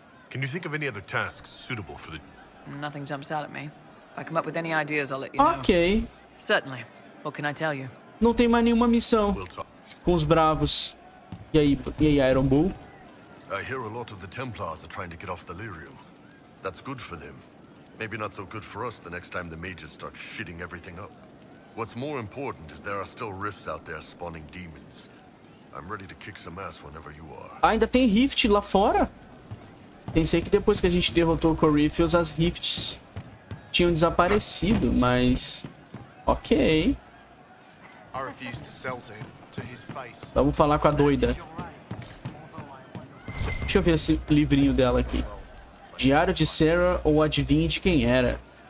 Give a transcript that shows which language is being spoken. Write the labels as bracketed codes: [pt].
[en] Can you think of any other tasks suitable for the... Nothing jumps out at me. If I come up with any ideas, I'll let you know. Ok. Certainly. What can I tell you? [pt] Não tem mais nenhuma missão com os bravos. E aí, Iron Bull? [en] I hear a lot of the Templars are trying to get off the Lyrium. That's good for them. Maybe not so good for us the next time the mages start shitting everything up. What's more important is there are still rifts out there spawning demons. I'm ready to kick some ass whenever you are. [pt] Ainda tem rift lá fora? Pensei que depois que a gente derrotou o Corypheus, as rifts tinham desaparecido, mas... Ok. Vamos falar com a doida. Deixa eu ver esse livrinho dela aqui. Diário de Sarah ou adivinhe de quem era?